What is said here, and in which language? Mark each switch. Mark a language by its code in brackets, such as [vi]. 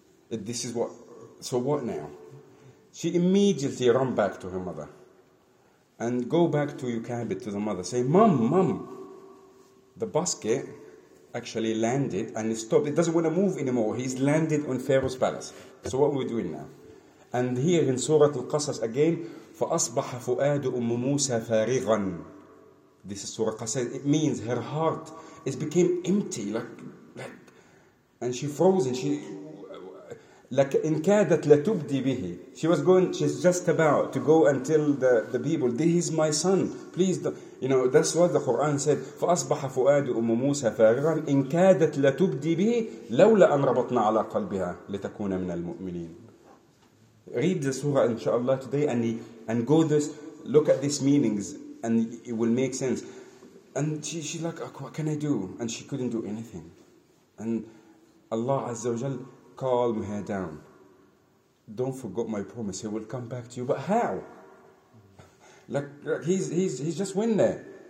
[en] This is what, so what now? She immediately ran back to her mother and go back to Yukabi, to the mother, say, Mom, the basket actually landed and it stopped. It doesn't want to move anymore. He's landed on Pharaoh's palace. So what are we doing now? And here in Surah Al-Qasas again, [ar] فَأَصْبَحَ فُؤَادُ أُمُّ مُوسَى فَارِغًا. [en] This is Surah Al-Qasas. It means her heart is became empty. Like, And she froze and she... like, [ar] إن كادت لتبدي به. [en] She was going, she's just about to go and tell the people, this is my son. Please don't. You know, that's what the Quran said. [ar] فأصبح فؤاد أم موسى فارغا إن كادت لتبدي به لولا أن ربطنا على قلبها لتكون من المؤمنين. [en] Read the surah, inshallah, today and go this, look at these meanings and it will make sense. And she's like, oh, what can I do? And she couldn't do anything. And Allah Azza wa Jal calm her down. Don't forget my promise. He will come back to you. But how? Like he's just went there.